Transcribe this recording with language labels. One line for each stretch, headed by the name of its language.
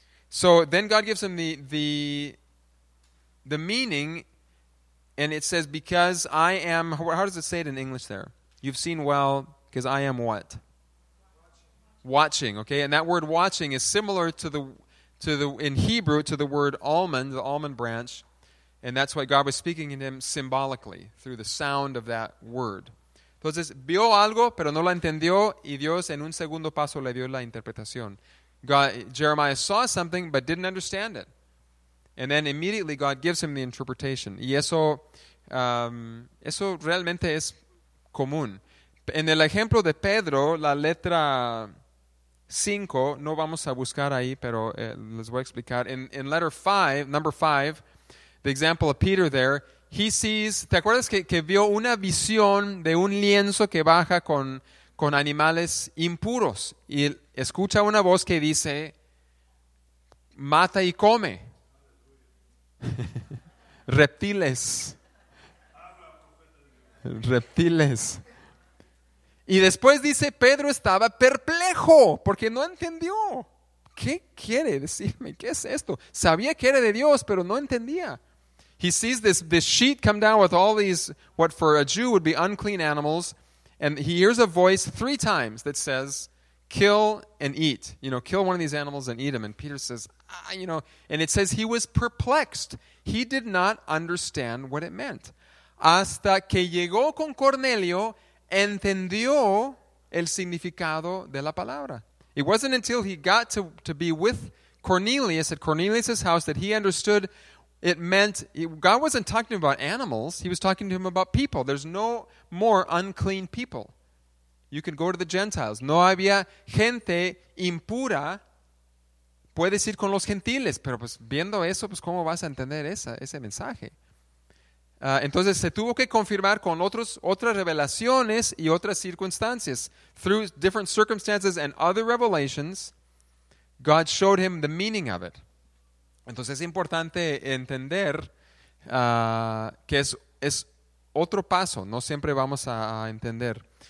English: So then God gives him the meaning, and it says, because I am, how does it say it in English there? You've seen well, because I am what? Watching, okay? And that word watching is similar in Hebrew, to the word almond, the almond branch, and that's why God was speaking in him symbolically, through the sound of that word.
Spanish: Entonces, vio algo, pero no la entendió, y Dios en un segundo paso le dio la interpretación.
English: Jeremiah saw something, but didn't understand it. And then immediately God gives him the interpretation.
Spanish: Y eso, eso realmente es común. En el ejemplo de Pedro, la letra 5, no vamos a buscar ahí, pero les voy a explicar.
English: In letter 5, number 5, the example of Peter there, he sees,
Spanish: ¿te acuerdas que vio una visión de un lienzo que baja con animales impuros? Y escucha una voz que dice, mata y come. Reptiles. Reptiles. Y después dice, Pedro estaba perplejo porque no entendió. ¿Qué quiere decirme? ¿Qué es esto? Sabía que era de Dios, pero no entendía.
English: He sees this sheet come down with all these, what for a Jew would be unclean animals, and he hears a voice three times that says, kill and eat. You know, kill one of these animals and eat them. And Peter says, and it says he was perplexed. He did not understand what it meant.
Spanish: Hasta que llegó con Cornelio, entendió el significado de la palabra.
English: It wasn't until he got to be with Cornelius at Cornelius' house that he understood it meant, God wasn't talking to him about animals, he was talking to him about people. There's no more unclean people. You can go to the Gentiles.
Spanish: No había gente impura. Puedes ir con los gentiles. Pero pues viendo eso, pues cómo vas a entender ese mensaje. Entonces se tuvo que confirmar con otras revelaciones y otras circunstancias.
English: Through different circumstances and other revelations, God showed him the meaning of it.
Spanish: Entonces es importante entender que es otro paso. No siempre vamos a entender.